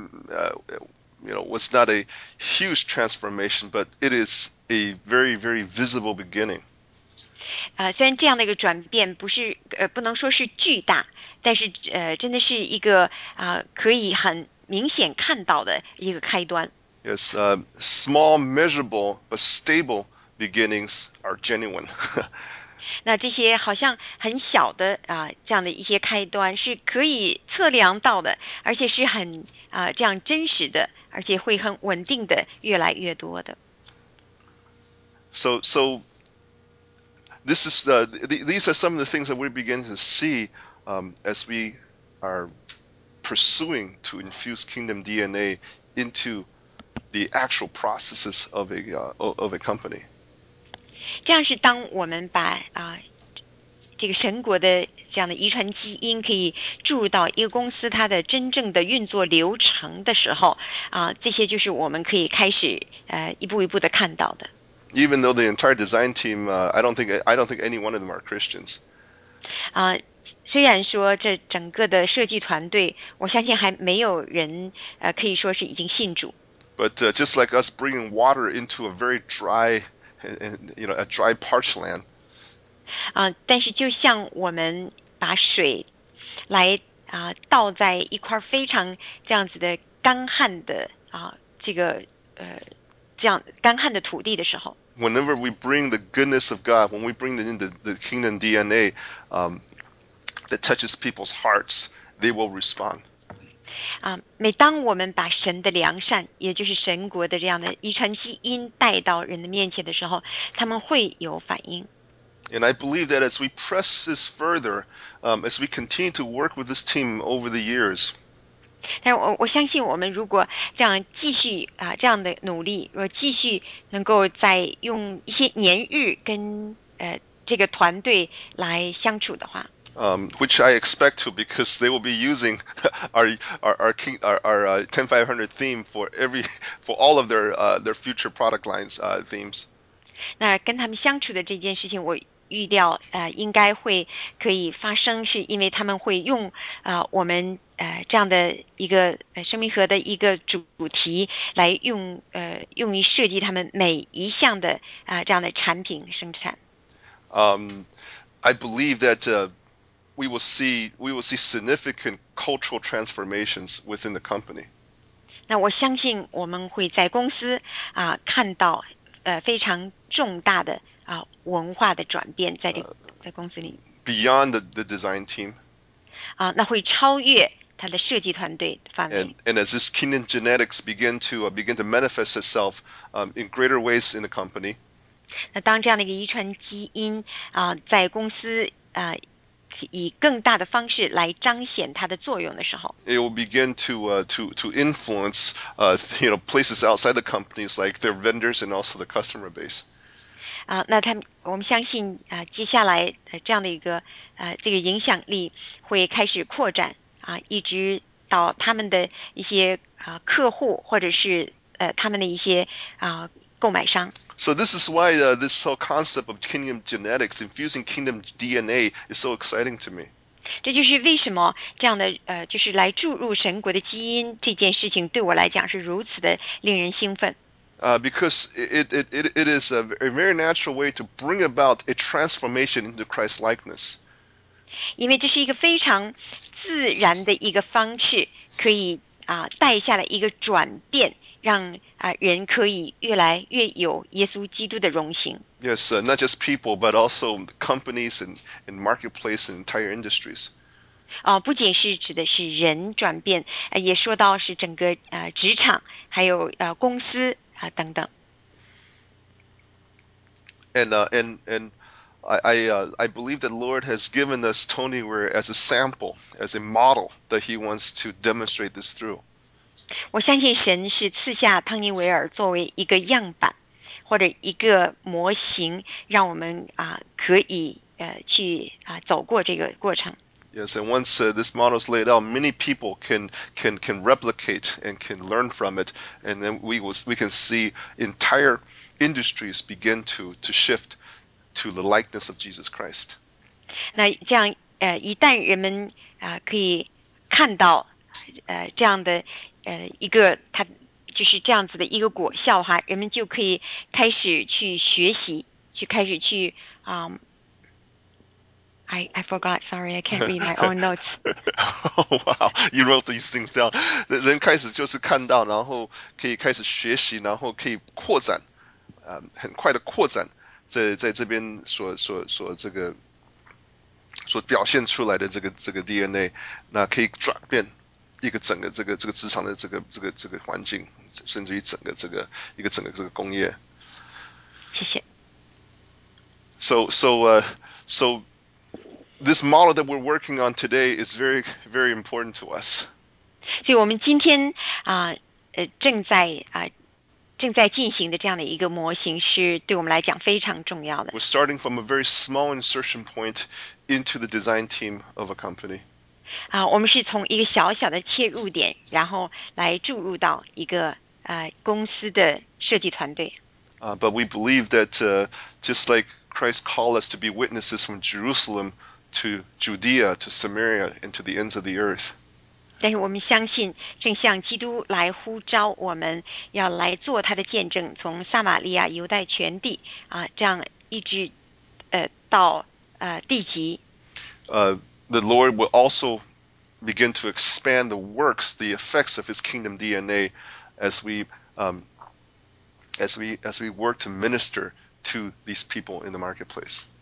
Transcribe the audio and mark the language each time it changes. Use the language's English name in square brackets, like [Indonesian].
[English] You know, it's not a huge transformation, but it is a very, very visible beginning. [Chinese] 虽然这样的一个转变不能说是巨大，但是真的是一个可以很明显看到的一个开端。 [English] Yes, small, measurable, but stable beginnings are genuine. [Chinese] 那这些好像很小的这样的一些开端是可以测量到的，而且是很这样真实的，而且会很稳定的越来越多的。 [English] So this is these are some of the things that we begin to see as we are pursuing to infuse kingdom DNA into the actual processes of a company. [Chinese] 这样是当我们把这个神国的这样的遗传基因可以注入到一个公司它的真正的运作流程的时候这些就是我们可以开始一步一步的看到的。 [English] Even though the entire design team, I don't think any one of them are Christians. [Chinese] 虽然说这整个的设计团队，我相信还没有人可以说是已经信主。 [English] But just like us bringing water into a very dry. And, you know, a dry parched land. [Chinese] 但是就像我们把水来倒在一块非常这样子的干旱的这样干旱的土地的时候。 [English] Whenever we bring the goodness of God, when we bring it into the kingdom DNA, that touches people's hearts, they will respond. [Chinese] 每当我们把神的良善，也就是神国的这样的遗传基因带到人的面前的时候，他们会有反应。 [English] And I believe that as we press this further, as we continue to work with this team over the years, [Chinese] 但我相信我们如果这样继续这样的努力，如果继续能够再用一些年日跟这个团队来相处的话。 [English] Which I expect to, because they will be using our 10500 theme for all of their future product lines themes. [Chinese] 那跟他们相处的这件事情，我预料应该会可以发生，是因为他们会用我们这样的一个生命核的一个主题来用于设计他们每一项的这样的产品生产。 [English] I believe that. We will see significant cultural transformations within the company. [Chinese] 那我相信我们会在公司看到非常重大的文化的转变在公司里。 [English] Beyond the design team. [Chinese] 那会超越它的设计团队范围。 [English] And as this kingdom genetics begin to manifest itself in greater ways in the company. [Chinese] 那当这样的一个遗传基因在公司以更大的方式来彰显它的作用的时候 [English] ，It will begin to influence you know places outside the companies like their vendors and also the customer base. [Chinese] 那他们我们相信接下来这样的一个这个影响力会开始扩展一直到他们的一些客户或者是他们的一些购买商。 [English] So this is why this whole concept of kingdom genetics, infusing kingdom DNA, is so exciting to me. [Chinese] 这就是为什么这样的就是来注入神国的基因这件事情对我来讲是如此的令人兴奋。 [English] Because it is a very natural way to bring about a transformation into Christ's likeness. [Chinese] 因为这是一个非常自然的一个方式，可以带下来一个转变。让人可以越来越有耶稣基督的荣形。 [English] Yes, not just people, but also companies and marketplace and entire industries. [Chinese] 不仅是指的是人转变，也说到是整个职场，还有公司等等。 [English] And I believe that Lord has given us Tony Ware as a sample, as a model that He wants to demonstrate this through. [Chinese] 我相信神是赐下汤尼维尔作为一个样板，或者一个模型，让我们可以去走过这个过程。 [English] Yes, and once this model is laid out, many people can replicate and can learn from it, and then we can see entire industries begin to shift to the likeness of Jesus Christ. [Chinese] 那这样一旦人们可以看到这样的一个它就是这样子的一个果效哈，人们就可以开始去学习，去开始去 [English] I forgot. Sorry, I can't read my own notes. Wow, you wrote these things down. [Chinese] 人开始就是看到，然后可以开始学习，然后可以扩展，很快的扩展在这边所这个所表现出来的这个 DNA， 那可以转变一个整个这个职场的这个环境，甚至于整个这个一个整个这个工业。谢谢。 [English] So. This model that we're working on today is very, very important to us. [Chinese] 所以我们今天正在进行的这样的一个模型是对我们来讲非常重要的。 [English] We're starting from a very small insertion point into the design team of a company. [Chinese] 我们是从一个小小的切入点，然后来注入到一个公司的设计团队。 [English] But we believe that just like Christ called us to be witnesses from Jerusalem. To Judea, to Samaria, and to the ends of the earth. [Chinese] 但是我们相信，正像基督来呼召我们，要来做他的见证，从撒玛利亚、犹太全地这样一直到地极。 [English] The Lord will also begin to expand the works, the effects of His kingdom DNA, as we work to minister to these people in the marketplace.